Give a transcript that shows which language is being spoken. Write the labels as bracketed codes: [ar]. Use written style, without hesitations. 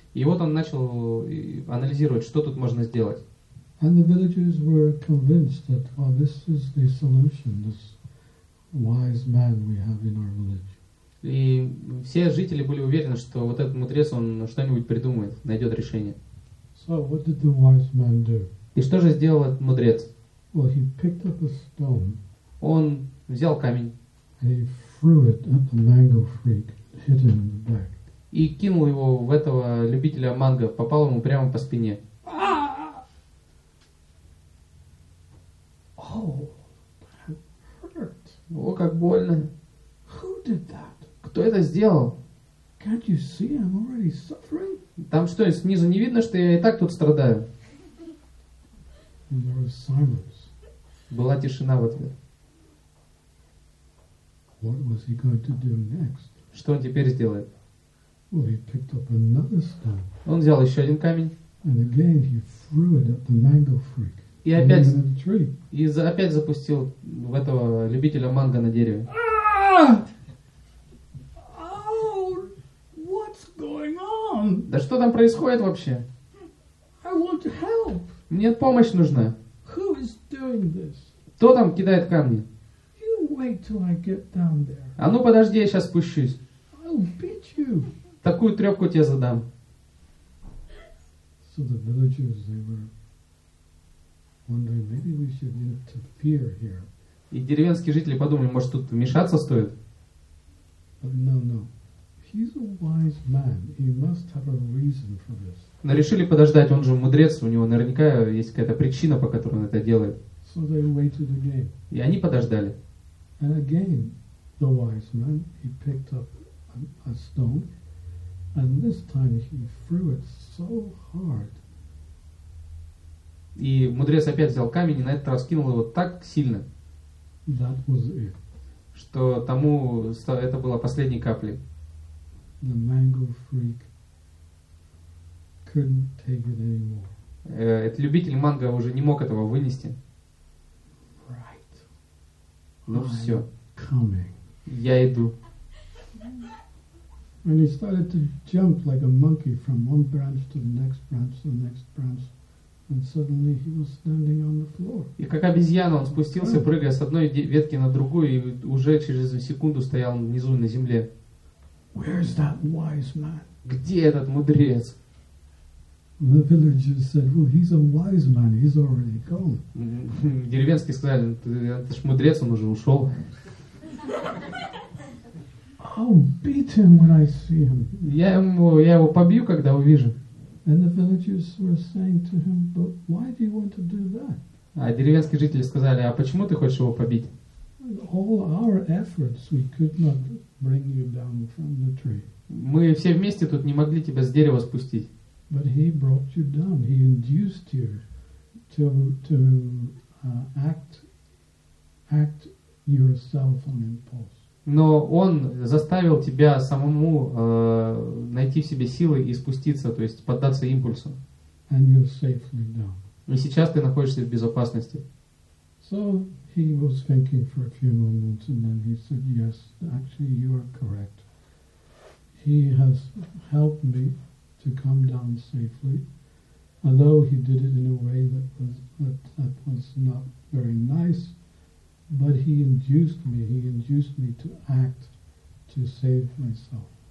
[ru] И вот он начал анализировать, что тут можно сделать. [en] And the villagers were convinced that, well, this is the solution, this wise man we have in our village. [ru] И все жители были уверены, что вот этот мудрец, он что-нибудь придумает, найдет решение. [en] So what did the wise man do? [ru] И что же сделал этот мудрец? [en] Well, he picked up a stone. [ru] Он взял камень. [en] And he threw it at the mango freak, hit him in the back. [ru] И кинул его в этого любителя манго, попал ему прямо по спине. О, как больно! [en] Who did that? [ru] Кто это сделал? [en] Can't you see I'm already suffering? [ru] Там что, снизу не видно, что я и так тут страдаю? [en] And there was silence. [ru] Была тишина в ответ. [en] What was he going to do next? [ru] Что он теперь сделает? [en] Well, he picked up another stone. [ru] Он взял еще один камень. [en] And again he threw it at the mango freak. [ru] И опять, [en] and the tree. [ru] И опять запустил в этого любителя манго на дереве. [en] Oh, what's going on? [ru] Да что там происходит вообще? [en] I want help. [ru] Мне помощь нужна. [en] Who is doing this? [ru] Кто там кидает камни? [en] You wait till I get down there. [ru] А ну подожди, я сейчас спущусь. [en] I'll beat you. [ru] Такую трёпку тебе задам. [en] So the villagers, they were wondering, maybe we should interfere here. [ru] И деревенские жители подумали, может тут вмешаться стоит? [en] No. He's a wise man. He must have a reason for this. [ru] Но решили подождать, он же мудрец, у него наверняка есть какая-то причина, по которой он это делает. [en] So they waited again. [ru] И они подождали. [en] And again, the wise man, he picked up a stone, and this time he threw it so hard. [ru] И мудрец опять взял камень и на этот раз кинул его так сильно, [en] that was it. [ru] Что тому это было последней каплей. [en] The mango freak couldn't take it anymore. [ru] Этот любитель манго уже не мог этого вынести. [en] Right. [ru] Ну [en] I'm [ru] все. [en] Coming. [ru] Я иду. [en] And he started to jump like a monkey from one branch to the next branch to the next branch, and suddenly he was standing on the floor. [ru] И как обезьяна он спустился, прыгая с одной ветки на другую, и уже через секунду стоял внизу на земле. [en] Where's that wise man? [ru] Где этот мудрец? [en] The villagers said, "Well, he's a wise man. He's already gone." [ru] Деревенские сказали, это ж мудрец, он уже ушел. [en] I'll beat him when I see him. [ru] Я его побью, когда увижу. [en] And the villagers were saying to him, "But why do you want to do that?" [ru] А деревенские жители сказали, а почему ты хочешь его побить? [en] All our efforts, we could not bring you down from the tree. [ru] Мы все вместе тут не могли тебя с дерева спустить. [en] But he brought you down. He induced you to act yourself on impulse. [ru] Но он заставил тебя самому найти в себе силы и спуститься, то есть поддаться импульсу. [en] And you're safely down. [ru] И сейчас ты находишься в безопасности. [en] So he was thinking for a few moments, and then he said, "Yes, actually, you are correct. He has helped me to come down safely, although he did it in a way that was not very nice, but he induced me to act to save myself."